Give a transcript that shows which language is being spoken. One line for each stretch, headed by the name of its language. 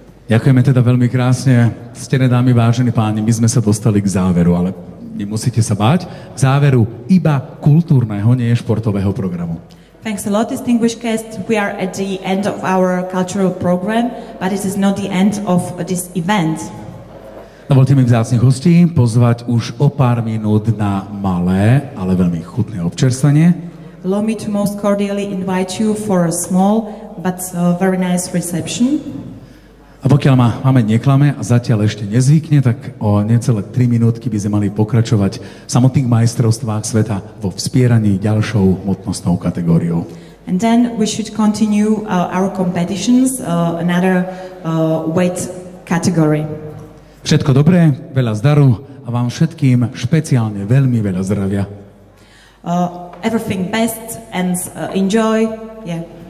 Slovak: Ďakujeme teda veľmi krásne. Ctené dámy, vážení páni, my sme sa dostali k záveru, ale nemusíte sa báť. K záveru iba kultúrneho, nie športového programu.
English: Thanks a lot, distinguished guests. We are at the end of our cultural program, but it is not the end of this event.
Slovak: Dovolte mi vzácnych hostí pozvať už o pár minút na malé, ale veľmi chutné občerstvenie.
English: Allow me to most cordially invite you for a small, but a very nice reception.
Slovak: A pokiaľ ma máme neklame a zatiaľ ešte nezvykne, tak o necelé 3 minútky by sme mali pokračovať v samotných majstrovstvách sveta vo vzpieraní ďalšou hmotnostnou kategóriou.
English: And then we should continue our competitions, another weight category.
Slovak: Všetko dobré, veľa zdaru a vám všetkým špeciálne veľmi veľa zdravia.
English: Everything best and enjoy, yeah.